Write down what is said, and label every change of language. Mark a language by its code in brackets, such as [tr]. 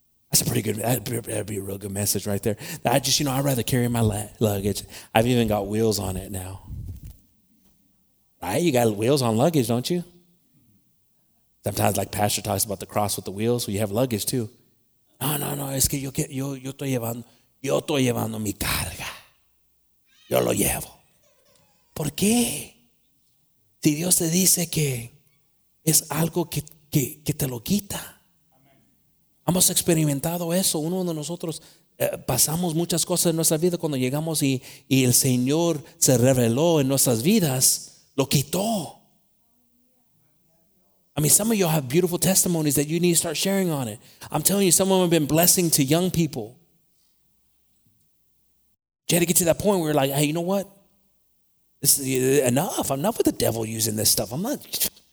[en] That's a pretty good, that'd be a real good message right there. I just, you know, I'd rather carry my luggage. I've even got wheels on it now. Right? You got wheels on luggage, don't you? Sometimes, like Pastor talks about the cross with the wheels, so you have luggage too. [es] No, es que yo estoy llevando mi carga. Yo lo llevo. ¿Por qué? Si Dios te dice que es algo que te lo quita. Hemos experimentado eso. Uno de nosotros pasamos muchas cosas en nuestra vida cuando llegamos y el Señor se reveló en nuestras vidas, lo quitó. [en] I mean, some of y'all have beautiful testimonies that you need to start sharing on it. I'm telling you, some of them have been blessing to young people. You had to get to that point where you're like, hey, you know what? This is enough. I'm not with the devil using this stuff. I'm not...